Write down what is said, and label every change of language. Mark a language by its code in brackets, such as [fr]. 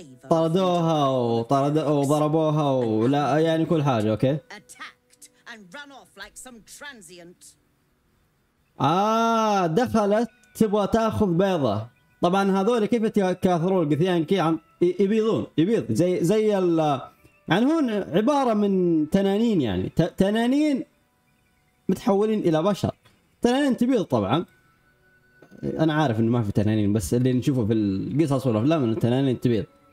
[ar] طردوها وضربوها ولا يعني كل حاجة, okay. [en] Attacked and run off like some transient. [ar] دخلت تبغى تأخذ بيضة. طبعا هذول كيف يتكاثرون Githyanki؟ يبيضون, يبيض زي ال يعني هون عبارة من تنانين, يعني تنانين متحولين إلى بشر. تنانين تبيض طبعا, أنا عارف إنه ما في تنانين بس اللي نشوفه في القصص والأفلام إنه التنانين تبيض.